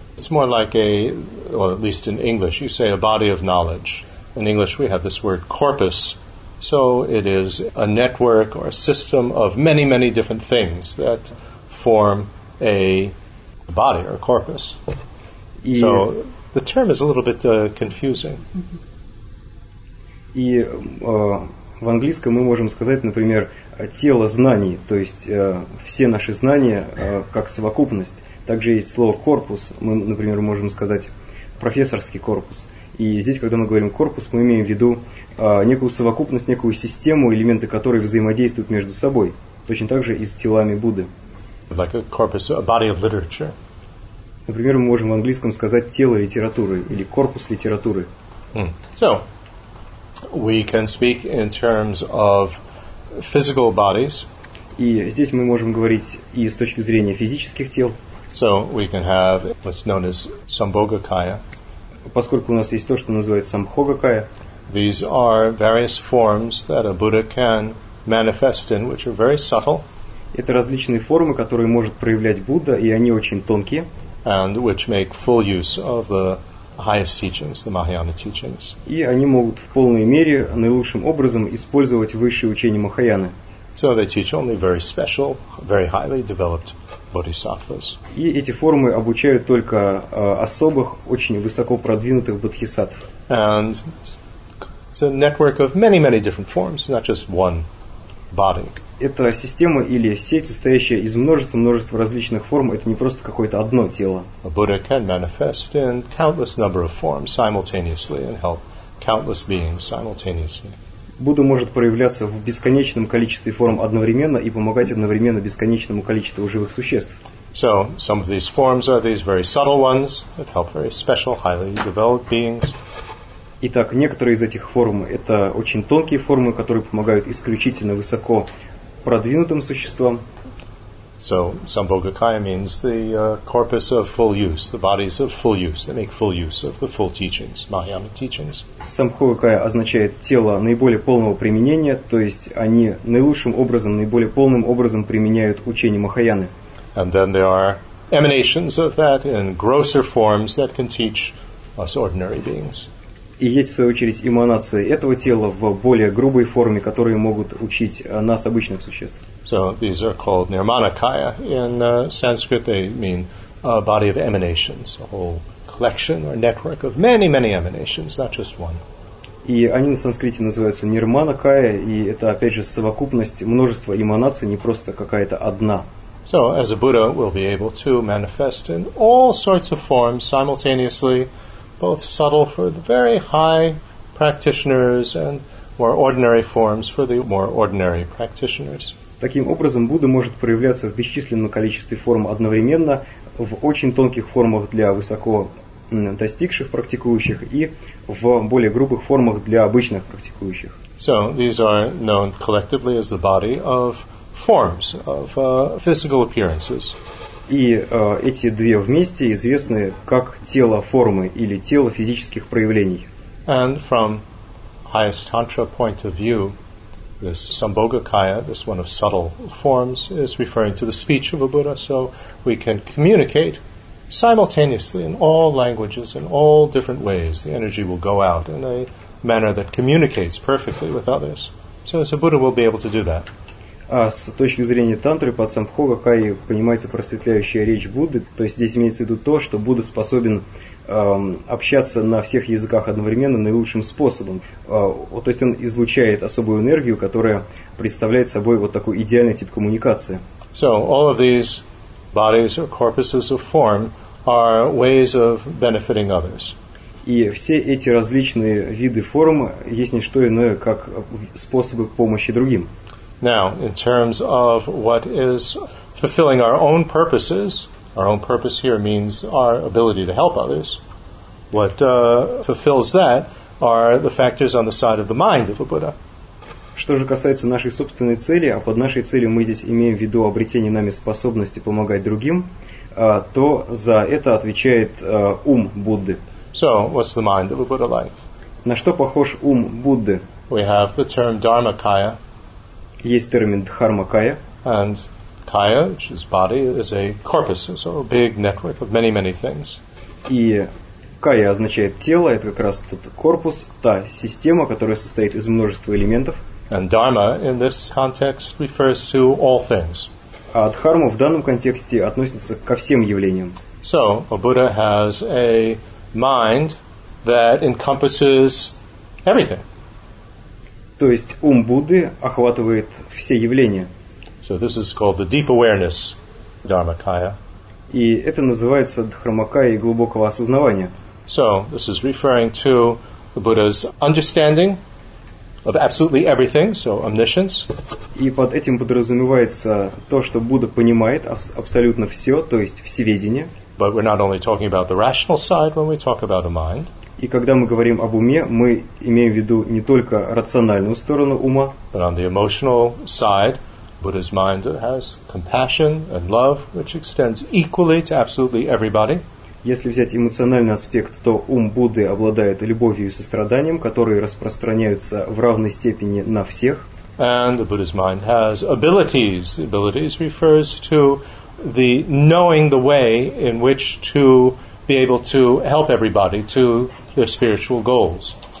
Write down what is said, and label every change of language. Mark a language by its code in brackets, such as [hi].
[en] It's more like a, or at least in English, you say a body of knowledge. In English we have this word corpus. So it is a network or a system of many, many different things that form a body or a corpus. Yeah. So the term is a little bit confusing. [ru] И в английском мы можем сказать, например, тело знаний, то есть все наши знания как совокупность. Также есть слово корпус. Мы, например, можем сказать профессорский корпус. И здесь, когда мы говорим корпус, мы имеем в виду некую совокупность, некую систему, элементы которой взаимодействуют между собой. Точно так же и с телами Будды. [en] Like a corpus, a body of literature. [ru] Например, мы можем в английском сказать тело литературы или корпус литературы. [en] So, we can speak in terms of physical bodies. [ru] И здесь мы можем говорить и с точки зрения физических тел. [en] So, we can have what's known as Sambhogakaya. [ru] Поскольку у нас есть то, что называется самхогакая. [en] These are various forms that a Buddha can manifest in, which are very subtle. [ru] Это различные формы, которые может проявлять Будда, и они очень тонкие. [en] And which make full use of the highest teachings, the Mahayana teachings. [ru] И они могут в полной мере, наилучшим образом использовать высшие учения Махаяны. [en] So they teach only very special, very highly developed bodhisattvas. [ru] И эти формы обучают только особых, очень высоко продвинутых бодхисаттв. [en] And it's a network of many, many different forms, not just one body. [ru] Это система или сеть, состоящая из множества различных форм. Это не просто какое-то одно тело. [en] A Buddha can manifest in countless number of forms simultaneously and help countless beings simultaneously. [ru] Будда может проявляться в бесконечном количестве форм одновременно и помогать одновременно бесконечному количеству живых существ. [en] So, some of these forms are these very subtle ones that help very special, highly developed beings. [ru] Итак, некоторые из этих форм – это очень тонкие формы, которые помогают исключительно высоко продвинутым существам. [en] So, Sambhogakaya means the corpus of full use, the bodies of full use, they make full use of the full teachings, Mahayana teachings. [ru] Sambhogakaya означает тело наиболее полного применения, то есть они наилучшим образом, наиболее полным образом применяют учение Махаяны. [en] And then there are emanations of that in grosser forms that can teach us ordinary beings. [ru] И есть, в свою очередь, эманации этого тела в более грубой форме, которые могут учить нас, обычных существ. [en] So these are called nirmanakaya. In Sanskrit they mean a body of emanations, a whole collection or network of many, many emanations, not just one. [ru] И они на санскрите называются нирманакая, и это, опять же, совокупность множества эманаций, не просто какая-то одна. [en] So as a Buddha we'll be able to manifest in all sorts of forms simultaneously, both subtle for the very high practitioners and more ordinary forms for the more ordinary practitioners. [ru] Таким образом, Будда может проявляться в бесчисленном количестве форм одновременно, в очень тонких формах для высоко достигших практикующих и в более грубых формах для обычных практикующих. [en] So these are known collectively as the body of forms, of physical appearances. [ru] И эти две вместе известны как тело формы или тело физических проявлений. [en] And from highest tantra point of view, this Sambhogakaya, this one of subtle forms, is referring to the speech of a Buddha, so we can communicate simultaneously in all languages, in all different ways. The energy will go out in a manner that communicates perfectly with others. So as a Buddha, we'll be able to do that. [ru] А с точки зрения тантры, под Сампхогакайи понимается просветляющая речь Будды, то есть здесь имеется в виду то, что Будда способен общаться на всех языках одновременно наилучшим способом. То есть он излучает особую энергию, которая представляет собой вот такой идеальный тип коммуникации. [en] So, all of these bodies or corpuses of form are ways of benefiting others. [ru] И все эти различные виды форм есть не что иное, как способы помощи другим. [en] Now, in terms of what is fulfilling our own purpose here means our ability to help others, what fulfills that are the factors on the side of the mind of a Buddha. [ru] Что же касается нашей собственной цели, а под нашей целью мы здесь имеем в виду обретение нами способности помогать другим, то за это отвечает ум Будды. [en] So, what's the mind of a Buddha like? [ru] На что похож ум Будды? [en] We have the term dharmakaya. [ru] Есть термин дхармакая. [en] And kaya, which is body, is a corpus, so a big network of many, many things. [ru] И кая означает тело, это как раз тот корпус, та система, которая состоит из множества элементов. [en] And dharma in this context refers to all things. [ru] А дхарма в данном контексте относится ко всем явлениям. [en] So, a Buddha has a mind that encompasses everything. [ru] То есть ум Будды охватывает все явления. [en] So this is called the deep awareness, dharmakaya. [ru] И это называется дхармакая глубокого осознавания. [en] So this is referring to the Buddha's understanding of absolutely everything, so omniscience. [ru] И под этим подразумевается то, что Будда понимает абсолютно все, то есть всеведение. [en] But we're not only talking about the rational side when we talk about a mind. [ru] И когда мы говорим об уме, мы имеем в виду не только рациональную сторону ума. [en] But on the emotional side, Buddha's mind has compassion and love, which extends equally to absolutely everybody. [ru] Если взять эмоциональный аспект, то ум Будды обладает любовью и состраданием, которые распространяются в равной степени на всех. [en] And the Buddha's mind has abilities. Abilities refers to the knowing the way in which to be able to help everybody to their spiritual goals.